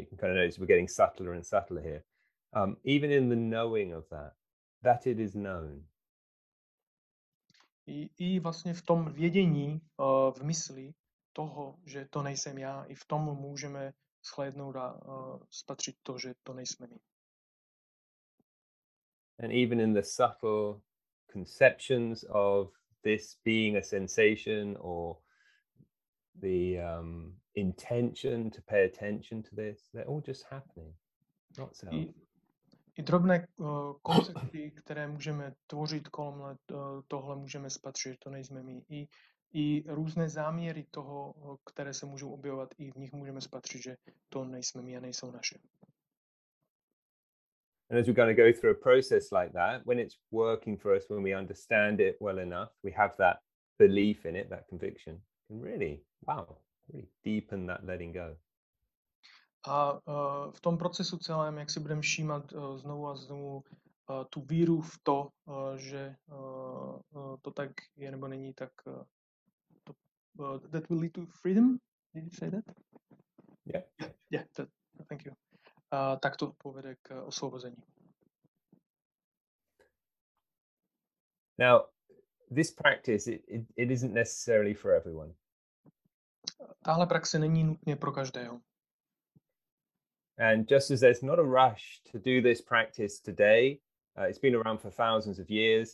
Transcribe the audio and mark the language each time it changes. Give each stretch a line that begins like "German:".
English: You can kind of notice we're getting subtler and subtler here. Even in the knowing of that, that it is known.
Czech: I vlastně v tom vědění, v mysli toho, že to nejsem já, i v tom můžeme shlédnout a spatřit to, že to nejsme my.
English: And even in the subtle conceptions of this being a sensation or the intention to pay attention to this, they're all just happening, not self.
Czech: I drobné koncepty, které můžeme tvořit kolem tohle, můžeme spatřit, to nejsme my. I různé záměry toho, které se můžou objevovat, i v nich můžeme spatřit, že to nejsme my a nejsou naše.
English: And as we kind of go through a process like that, when it's working for us, when we understand it well enough, we have that belief in it, that conviction, and really, wow, really deepen that letting go.
Czech: A v tom procesu celém, jak si budeme všímat znovu a znovu tu víru v to, že to tak je nebo není, tak to,
English: that will lead to freedom? Did you say that? Yeah. Yeah, that, thank you.
Czech: Tak to povede k osvobození.
English: Now, this practice, it isn't necessarily for everyone.
Czech: Tahle praxe není nutně pro každého.
English: And just as there's not a rush to do this practice today, it's been around for thousands of years.